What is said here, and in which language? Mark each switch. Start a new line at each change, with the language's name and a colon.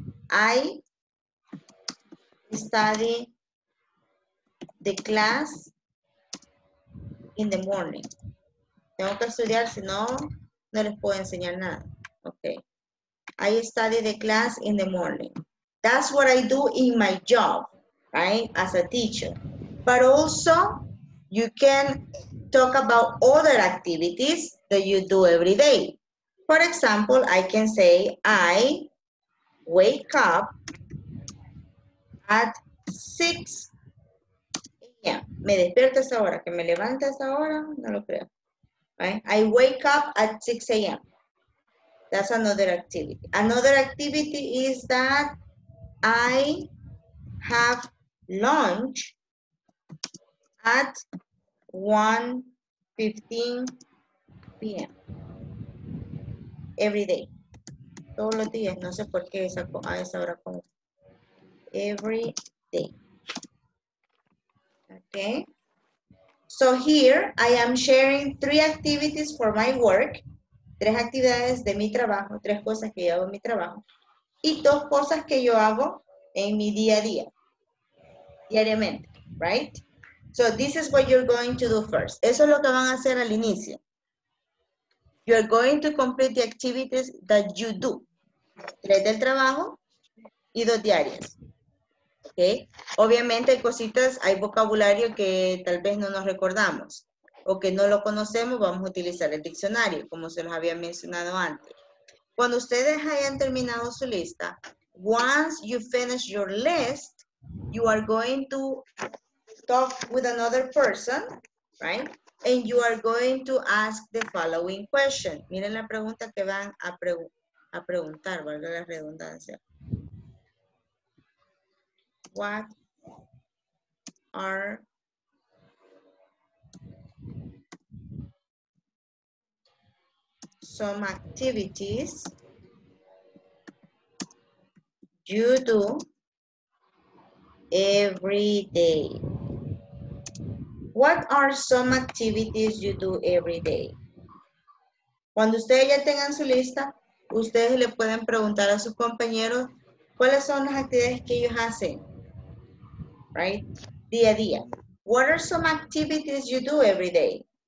English: I study the class in the morning.
Spanish: Tengo que estudiar, si no, no les puedo enseñar nada.
English: Okay. I study the class in the morning. That's what I do in my job, right, as a teacher. But also, you can talk about other activities that you do every day. For example, I can say, I wake up at 6 a.m.
Spanish: Me despierto a esa hora, que me levanto a esa hora, no lo creo.
English: Right? I wake up at 6 a.m. That's another activity. Another activity is that I have lunch at 1:15 p.m. Every day.
Spanish: Todos los días. No sé por qué esa, a esa hora.
English: Every day. Okay. So here I am sharing three activities for my work.
Spanish: Tres actividades de mi trabajo. Tres cosas que yo hago en mi trabajo. Y dos cosas que yo hago en mi día a día. Diariamente. Right?
English: So this is what you're going to do first.
Spanish: Eso es lo que van a hacer al inicio.
English: You're going to complete the activities that you do.
Spanish: Tres del trabajo y dos diarias. Okay? Obviamente hay cositas, hay vocabulario que tal vez no nos recordamos. O que no lo conocemos, vamos a utilizar el diccionario, como se los había mencionado antes. Cuando ustedes hayan terminado su lista,
English: once you finish your list, you are going to talk with another person, right? And you are going to ask the following question.
Spanish: Miren la pregunta que van a, preguntar, valga la redundancia.
English: What are some activities you do every day? What are some activities you do every day?
Spanish: Cuando ustedes ya tengan su lista, ustedes le pueden preguntar a sus compañeros cuáles son las actividades que ellos hacen, right? Día a día.
English: What are some activities you do every day?